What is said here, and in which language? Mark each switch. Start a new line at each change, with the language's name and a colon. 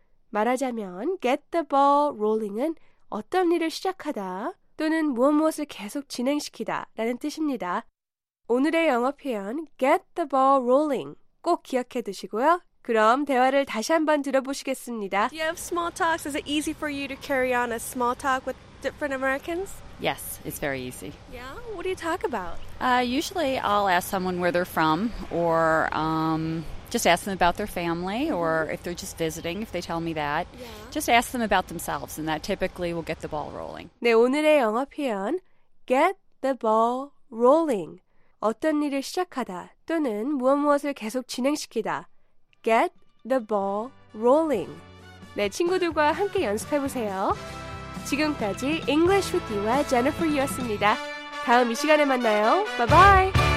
Korean: 말하자면
English: get the ball rolling
Korean: 은 어떤 일을 시작하다 또는 무엇을 계속 진행시키다 라는 뜻입니다. 오늘의 영어 표현
English: get the ball rolling
Korean: 꼭 기억해 두시고요. 그럼 대화를 다시 한번 들어보시겠습니다.
English: Do you have small talks? Is it easy for you to carry on a small talk with different Americans? Yes, it's very easy. Yeah? What do you talk about? Usually I'll ask someone where they're from or just ask them about their family or if they're just visiting, if they tell me that. Yeah. Just ask them about themselves and that typically will get the ball rolling.
Korean: 네, 오늘의 영어 표현,
English: get the ball rolling.
Korean: 어떤 일을 시작하다 또는 무엇을 계속 진행시키다.
English: Get the ball rolling.
Korean: 네, 친구들과 함께 연습해 보세요. 지금까지 English with you와 Jennifer이었습니다. 다음 이 시간에 만나요.
English: Bye-bye.